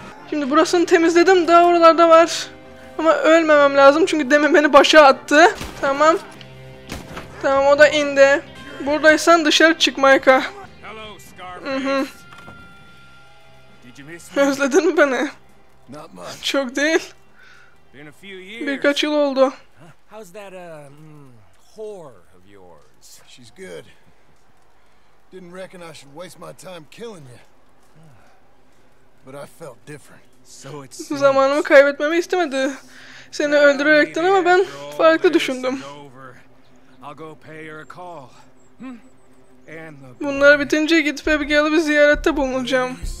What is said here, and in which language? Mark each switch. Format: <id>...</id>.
<tr>Şimdi burasını temizledim. Daha oralarda var. Ama ölmemem lazım çünkü demin beni başa attı. Tamam. Tamam o da indi. Buradaysan dışarı çık Micah. Özledin mi beni? Çok değil.</tr> <en>Been a few years.</en> <tr>Birkaç yıl oldu.</tr> <en>How's that whore of yours? She's good. Didn't reckon I should waste my time killing you. But I felt different.</en> <tr>So it's zamanımı kaybetmemi istemedi. Seni öldürerekten ama ben farklı düşündüm. Bunlar bitince gidip Abigail'ı bir ziyarette bulunacağım.</tr>